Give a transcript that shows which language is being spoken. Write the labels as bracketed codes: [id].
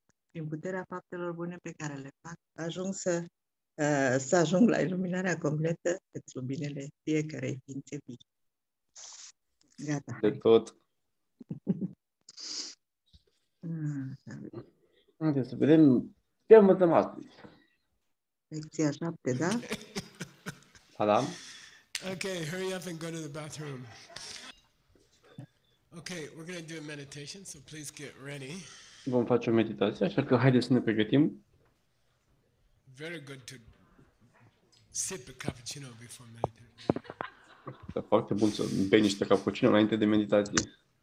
[ro] Prin puterea faptelor bune pe care le fac, ajung să ajung la iluminarea completă pentru binele fiecarei ființe vii. Gata. De tot. Haideți să vedem ce învățăm astăzi. Lecția 7, da? Da. [en] Ok, hurry up and go to the bathroom. Ok, we're going to do a meditation, so please get ready. [ro] Vom face o meditație, așa că haideți să ne pregătim. [en] Very good to sip a cappuccino before meditation. [ro] Este foarte bun să bei niște cappuccino înainte de meditație.